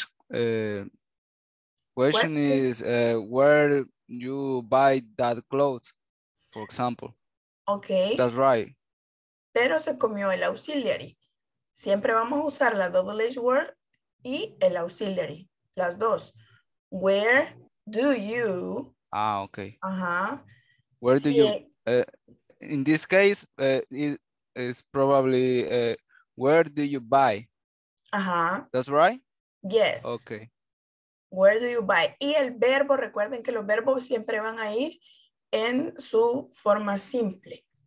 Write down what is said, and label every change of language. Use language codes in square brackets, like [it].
[en] The WH question is where you buy that clothes, for example. Okay. That's right. [es] Pero se comió el auxiliary. Siempre vamos a usar la double H word y el auxiliary, las dos. [en] Where do you? Ah, okay. Uh-huh. Where do you? In this case, it is probably where do you buy? Uh-huh. That's right? Yes. Okay. Where do you buy? [es] Y el verbo, recuerden que los verbos siempre van a ir en su forma simple.